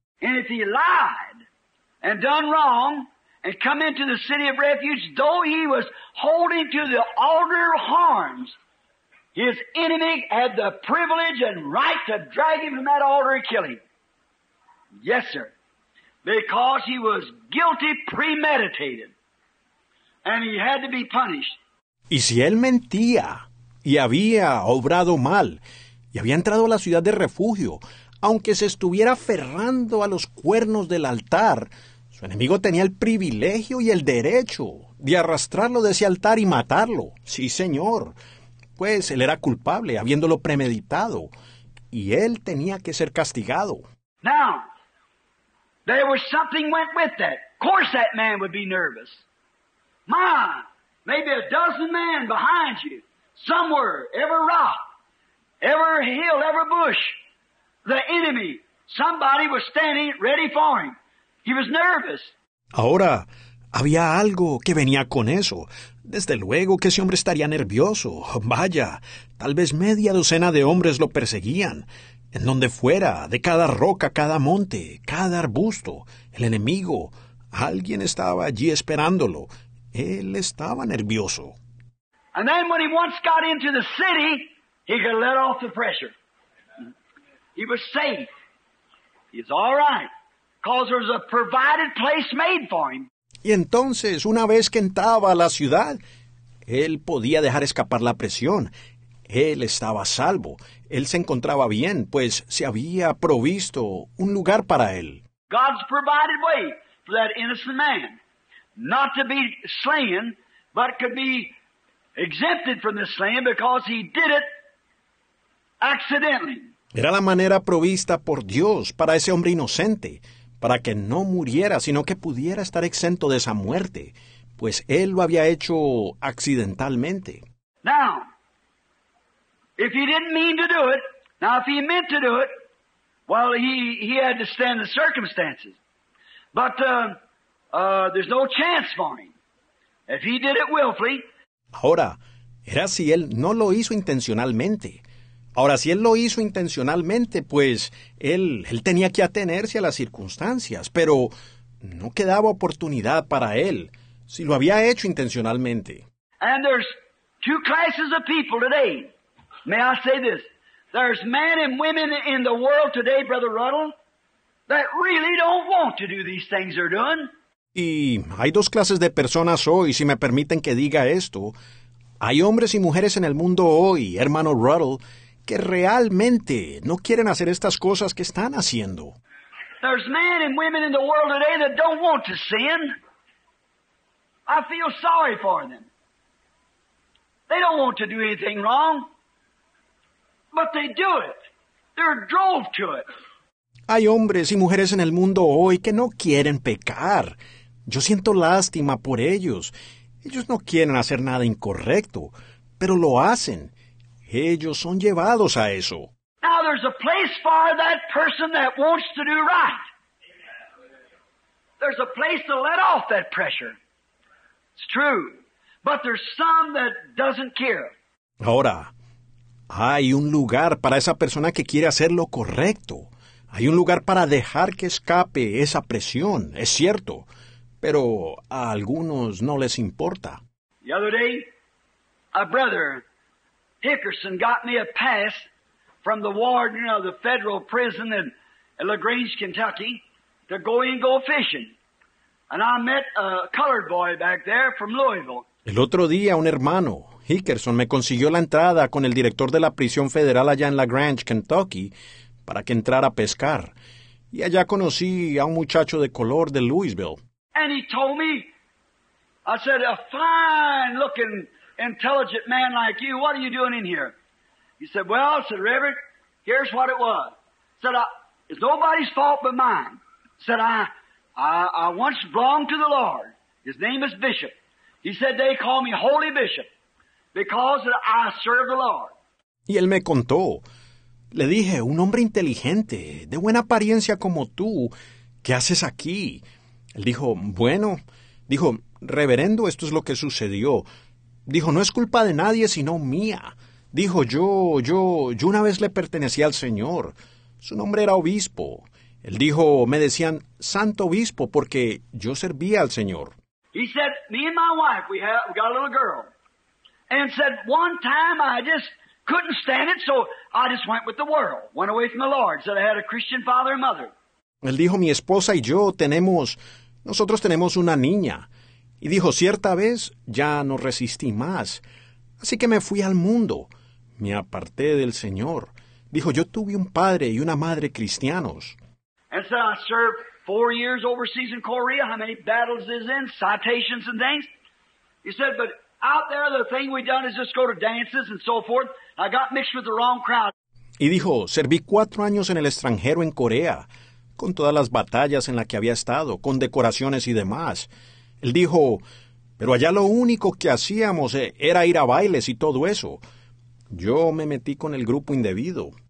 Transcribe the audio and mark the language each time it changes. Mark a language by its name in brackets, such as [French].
[English] And if he lied and done wrong and come into the city of refuge, though he was holding to the altar horns, his enemy had the privilege and right to drag him from that altar and kill him. Yes, sir. Because he was guilty premeditated, and he had to be punished. [Spanish] Y si él mentía y había obrado mal y había entrado a la ciudad de refugio, aunque se estuviera aferrando a los cuernos del altar, su enemigo tenía el privilegio y el derecho de arrastrarlo de ese altar y matarlo. Sí, señor. Pues él era culpable, habiéndolo premeditado, y él tenía que ser castigado. [English] Now, there was something went with that. Of course that man would be nervous. My, maybe a dozen men behind you, somewhere, every rock, every hill, every bush, the enemy, somebody was standing ready for him. He was nervous. [Spanish] Ahora, había algo que venía con eso. Desde luego que ese hombre estaría nervioso. Vaya, tal vez media docena de hombres lo perseguían. En donde fuera, de cada roca, cada monte, cada arbusto, el enemigo, alguien estaba allí esperándolo. Él estaba nervioso. [English] And then when he once got into the city, he could let off the pressure. He was safe. He's all right. Because there was a provided place made for him. [Spanish] Y entonces, una vez que entraba a la ciudad, él podía dejar escapar la presión. Él estaba a salvo. Él se encontraba bien, pues se había provisto un lugar para él. [English] God's provided way for that innocent man, not to be slain, but could be exempted from the slaying because he did it accidentally. [Spanish] Era la manera provista por Dios para ese hombre inocente, para que no muriera, sino que pudiera estar exento de esa muerte, pues él lo había hecho accidentalmente. [English] Now, if he didn't mean to do it, now if he meant to do it, well, he had to stand the circumstances. But there's no chance for him. If he did it willfully. [Spanish] Ahora, era si él no lo hizo intencionalmente. Ahora, si él lo hizo intencionalmente, pues él tenía que atenerse a las circunstancias, pero no quedaba oportunidad para él si lo había hecho intencionalmente. [English] And there's two classes of people today. May I say this? There's men and women in the world today, Brother Ruddle, that really don't want to do these things they're doing. [Spanish] Y hay dos clases de personas hoy, si me permiten que diga esto. Hay hombres y mujeres en el mundo hoy, hermano Ruddle, que realmente no quieren hacer estas cosas que están haciendo. [English] There's men and women in the world today that don't want to sin. I feel sorry for them. They don't want to do anything wrong. But they do it. They're drove to it. [Spanish] Hay hombres y mujeres en el mundo hoy que no quieren pecar. Yo siento lástima por ellos. Ellos no quieren hacer nada incorrecto, pero lo hacen. Ellos son llevados a eso. [English] Now there's a place for that person that wants to do right. There's a place to let off that pressure. It's true. But there's some that doesn't care. [Spanish] Ahora, hay un lugar para esa persona que quiere hacer lo correcto. Hay un lugar para dejar que escape esa presión, es cierto. Pero a algunos no les importa. [English] The other day, a brother, Hickerson, got me a pass from the warden of the federal prison in LaGrange, Kentucky, to go in and go fishing. And I met a colored boy back there from Louisville. [Spanish] El otro día, un hermano, Hickerson, me consiguió la entrada con el director de la prisión federal allá en LaGrange, Kentucky, para que entrara a pescar. Y allá conocí a un muchacho de color de Louisville. [English] And he told me, I said, a fine looking intelligent man like you, what are you doing in here? He said, well, said Reverend, here's what it was. Said, it's nobody's fault but mine. Said, I once belonged to the Lord. His name is Bishop. He said, they call me Holy Bishop because I serve the Lord. [Spanish] Y él me contó. Le dije, un hombre inteligente, de buena apariencia como tú, ¿qué haces aquí? Él dijo, bueno, dijo, reverendo, esto es lo que sucedió. Dijo, no es culpa de nadie, sino mía. Dijo, yo una vez le pertenecía al Señor. Su nombre era obispo. Él dijo, me decían, Santo Obispo, porque yo servía al Señor. [English] He said, me and my wife, we got a little girl. And said, one time I just couldn't stand it, so I just went with the world. Went away from the Lord. Said I had a Christian father and mother. [Spanish] Él dijo, mi esposa y yo tenemos, nosotros tenemos una niña. Y dijo, cierta vez ya no resistí más. Así que me fui al mundo. Me aparté del Señor. Dijo, yo tuve un padre y una madre cristianos. [English] And so I served 4 years overseas in Korea. How many battles is in? Citations and things. He said, but out there the thing we done is just go to dances and so forth. I got mixed with the wrong crowd. [Spanish] Y dijo, serví 4 años en el extranjero en Corea, con todas las batallas en las que había estado, con decoraciones y demás. Él dijo, pero allá lo único que hacíamos era ir a bailes y todo eso. Yo me metí con el grupo indebido.